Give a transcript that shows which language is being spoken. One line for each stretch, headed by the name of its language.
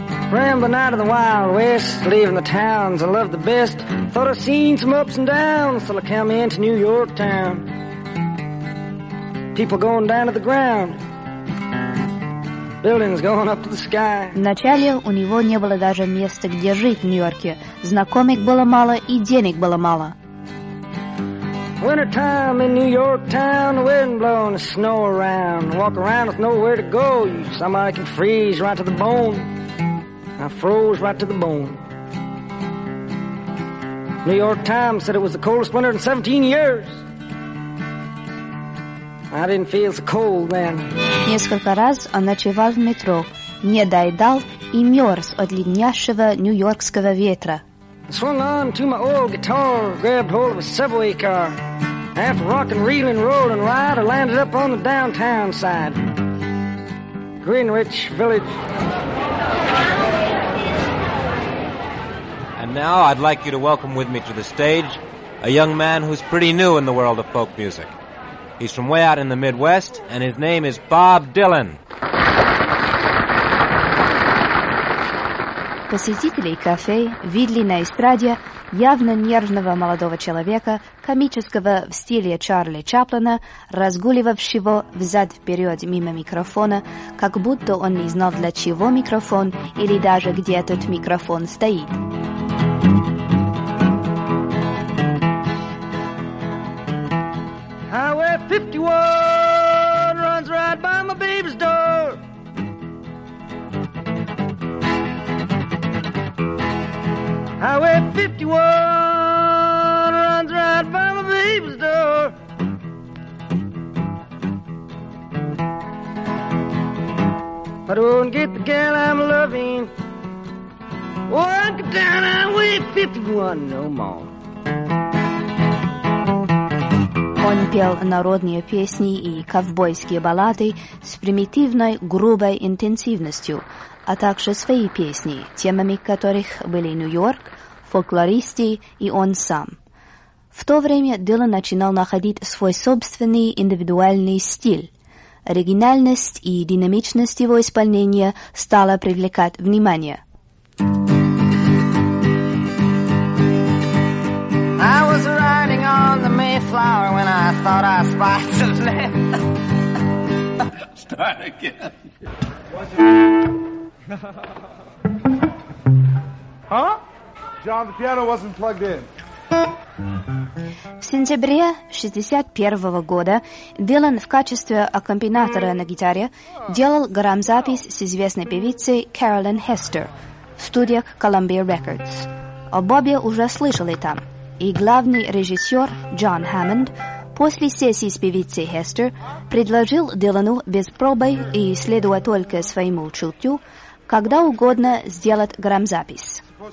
Russian: Вначале у него не было даже места, где жить в Нью-Йорке. Знакомых было мало и денег было мало.
English: Wintertime in New York town, the wind blowing the snow around. Walk around with nowhere to go, somebody can freeze right to the bone. I froze right to the bone. New York Times said it was the coldest winter in 17 years. I didn't feel so cold then. Несколько раз он ночевал в метро, не доедал и мерз от леднящего нью-йоркского ветра. Swung on to my old guitar, grabbed hold of a subway car. After rocking, reeling, rolling, ride, I landed up on the downtown side. Greenwich Village. And now I'd like you to welcome with me to the stage a young man who's pretty new in the world of folk music. He's from way out in the Midwest, and his name is Bob Dylan.
Russian: Посетителей кафе видели на эстраде явно нервного молодого человека, комического в стиле Чарли Чаплина, разгуливавшего взад-вперед мимо микрофона, как будто он не знал, для чего микрофон или даже где этот микрофон стоит.
English: Highway 51 runs right by my baby's door. Highway 51 runs right by my baby's door. If I don't get the gal I'm loving, oh, I'll go down Highway 51 no more.
Russian: Он пел народные песни и ковбойские баллады с примитивной грубой интенсивностью, а также свои песни, темами которых были Нью-Йорк, фольклористы и он сам. В то время Дилан начинал находить свой собственный индивидуальный стиль. Оригинальность и динамичность его исполнения стала привлекать внимание.
English: Flower when I thought I spied some land. Start again. Huh? John, the piano wasn't plugged in.
Russian: В сентябре 61 года Дилан в качестве аккомпаниатора на гитаре делал грамзапись с известной певицей Carolyn Hester в студиях Columbia Records. О Бобе уже слышали там. И главный режиссер Джон Хаммонд после сессии с певицей Хестер предложил Дилану без пробы и следуя только своему чутью, когда угодно сделать грамзапись.